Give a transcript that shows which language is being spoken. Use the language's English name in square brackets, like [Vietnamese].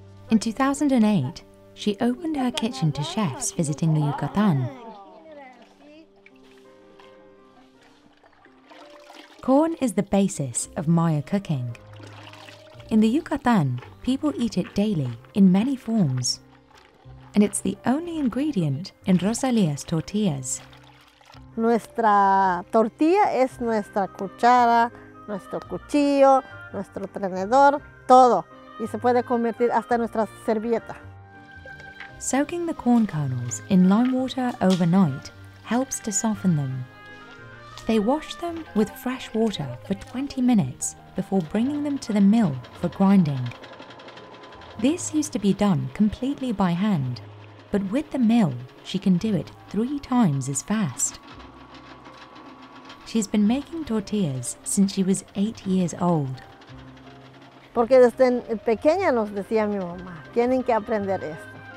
[English] In 2008, she opened her kitchen to chefs visiting the Yucatan. Corn is the basis of Maya cooking. In the Yucatan, people eat it daily in many forms. And it's the only ingredient in Rosalia's tortillas. [Spanish] Nuestra tortilla es nuestra cuchara, nuestro cuchillo, nuestro tenedor, todo. Y se puede convertir hasta nuestra servilleta. [English] Soaking the corn kernels in lime water overnight helps to soften them. They wash them with fresh water for 20 minutes before bringing them to the mill for grinding. This used to be done completely by hand, but with the mill, she can do it 3 times as fast. She's been making tortillas since she was 8 years old. [Spanish] Porque desde pequeña nos decía mi mamá, tienen que aprender esto.